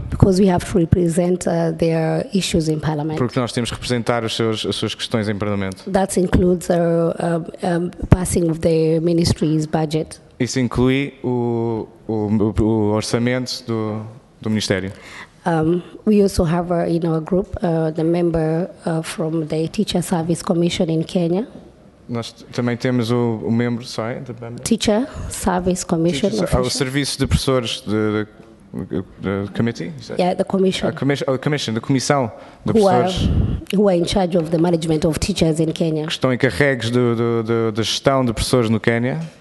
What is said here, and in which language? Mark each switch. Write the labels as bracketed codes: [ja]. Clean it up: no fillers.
[en] Because we have to represent their issues in Parliament. [pt] Porque nós temos que representar as suas questões em Parlamento. [en] That includes passing of the ministry's budget. [pt] Isso inclui o orçamento do ministério. [en] We also have in our group the member from the Teacher Service Commission in Kenya. [pt] Nós também temos o membro, [en] sorry, [pt] da [en] Teacher Service Commission. [pt] O serviço de professores de committee? [en] Yeah, the commission. [pt] A comissão de professores. [en] Who are in charge of the management of teachers in Kenya. [pt] Que estão encarregues da gestão de professores no Quênia.